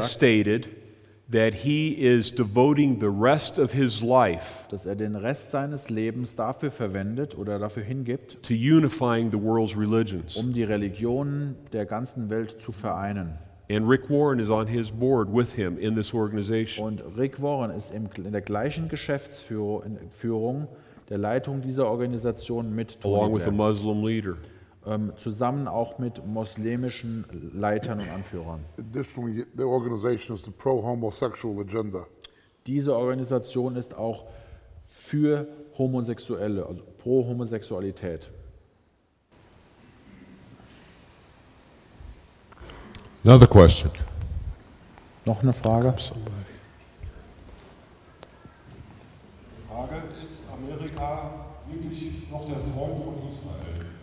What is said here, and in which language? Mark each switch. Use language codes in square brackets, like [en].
[en] has stated that he is devoting the rest of his life, [de] dass er den Rest seines Lebens dafür verwendet oder dafür hingibt, [en] to unifying the world's religions, [de] um die Religionen der ganzen Welt zu vereinen. [en] And Rick Warren is on his board with him in this organization. [de] Und Rick Warren ist in der gleichen Geschäftsführung der Leitung dieser Organisation mit Tony Blair. [en] Along with a Muslim leader. [de] Zusammen auch mit muslimischen Leitern und Anführern. [en] Additionally, the organization is the pro-homosexual agenda. [de] Diese Organisation ist auch für Homosexuelle, also pro-Homosexualität. [en] Another question. [de] Noch eine Frage? Die Frage ist, Amerika wirklich noch der Freund von Israel?